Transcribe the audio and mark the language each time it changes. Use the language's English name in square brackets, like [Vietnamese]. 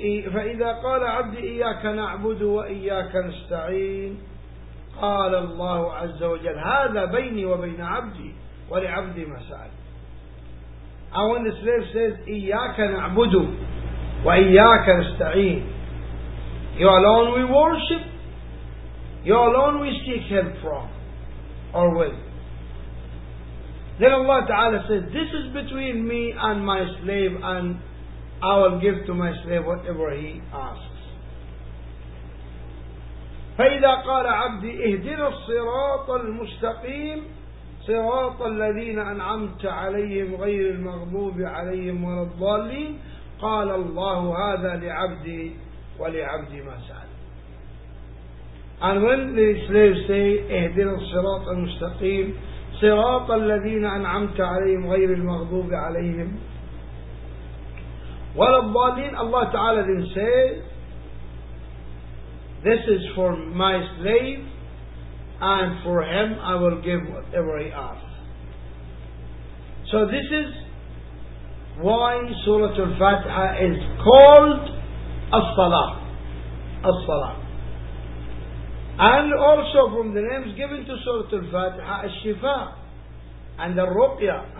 [Arabic] فَإِذَا قَالَ عَبْدِي إِيَّاكَ نَعْبُدُ وَإِيَّاكَ نَسْتَعِينُ قَالَ اللَّهُ عَزَّ وَجَلَّ هَذَا بَيْنِي وَبَيْنَ عَبْدِي وَلِعَبْدِي مَسَأَلٌ [English] And when the slave says, [Arabic] إِيَّاكَ نَعْبُدُ وَإِيَّاكَ نَسْتَعِينَ [English] You alone we worship, you alone we seek help from, or with. Then Allah Ta'ala says, this is between me and my slave, and I will give to my slave whatever he asks. [Arabic] فَإِذَا قَالَ عَبْدِي اِهْدِنَ الصِّرَاطَ الْمُسْتَقِيمِ صراط الذين أنعمت عليهم غير المغضوب عليهم ولا الضالين قال الله هذا لعبدي ولعبدي ما سأل [English] And when the slaves say [Arabic] اهدنا الصراط المستقيم صراط الذين أنعمت عليهم غير المغضوب عليهم ولا الضالين [English] Allah Ta'ala then says This is for my slave And for him, I will give whatever he asks. So this is why Surah Al-Fatiha is called As-Salah. As-Salah. And also from the names given to Surah Al-Fatiha, As-Shifa and the Ruqya.